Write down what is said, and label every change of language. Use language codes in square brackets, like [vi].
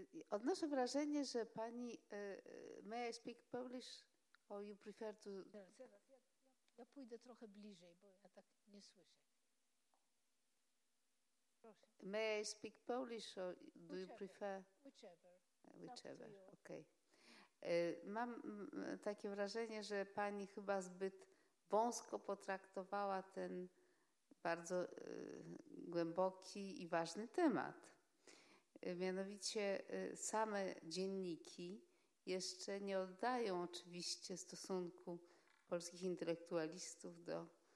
[pl] Odnoszę wrażenie, że pani, [en] may I speak Polish, or you prefer to... [pl] Ja pójdę trochę bliżej, bo ja tak nie słyszę. Proszę. [en] May I speak Polish, or do you prefer... Whichever. Whichever, okej. [pl] Mam takie wrażenie, że pani chyba zbyt wąsko potraktowała ten bardzo głęboki i ważny temat. Mianowicie same dzienniki jeszcze nie oddają oczywiście stosunku polskich intelektualistów do